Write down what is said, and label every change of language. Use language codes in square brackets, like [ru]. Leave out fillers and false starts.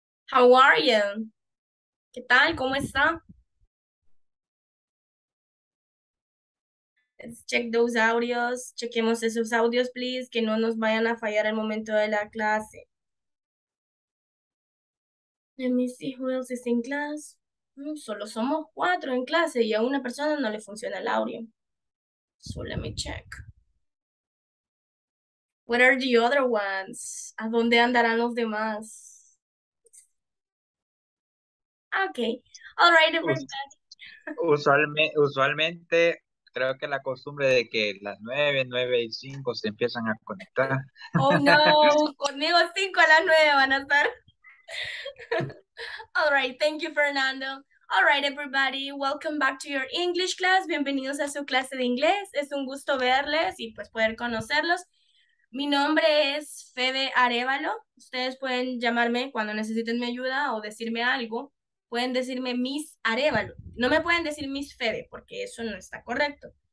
[en] How are you? [es] ¿Qué tal? ¿Cómo está? [en] Let's check those audios. [es] Chequemos esos audios, please, que no nos vayan a fallar al momento de la clase. [en] Let me see who else is in class. [es] Solo somos cuatro en clase y a una persona no le funciona el audio. [en] So let me check. What are the other ones? [es] ¿A dónde andarán los demás? [en] Okay. All right, everybody. [es] Usualmente creo que la costumbre de que las 9:05 se empiezan a conectar. Oh no, conmigo 5 a las 9 van a estar. [en] All right, thank you, Fernando. All right, everybody, welcome back to your English class. [es] Bienvenidos a su clase de inglés. Es un gusto verles y pues poder conocerlos. Mi nombre es Febe Arevalo. Ustedes pueden llamarme cuando necesiten mi ayuda o decirme algo. Pueden decirme Miss Arevalo. No me pueden decir Miss Febe porque eso no está correcto.